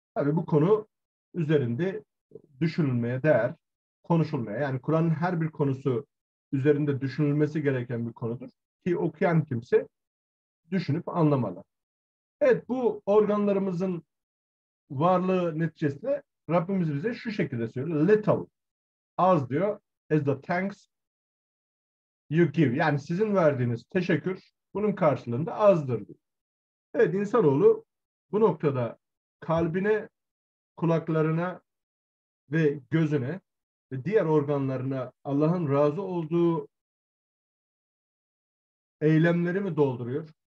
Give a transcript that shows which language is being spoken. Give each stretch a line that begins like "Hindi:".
Turkish: Tabii bu konu üzerinde düşünülmeye değer, konuşulmaya. Yani Kur'an'ın her bir konusu üzerinde düşünülmesi gereken bir konudur. Ki okuyan kimse düşünüp anlamalı. Evet, bu organlarımızın varlığı neticesinde Rabbimiz bize şu şekilde söylüyor.
English: Little,
Turkish: az diyor,
English: is the thanks you give.
Turkish: Yani sizin verdiğiniz teşekkür bunun karşılığında azdır diyor. Evet, insanoğlu bu noktada kalbine, kulaklarına ve gözüne ve diğer organlarına Allah'ın razı olduğu eylemleri mi dolduruyor?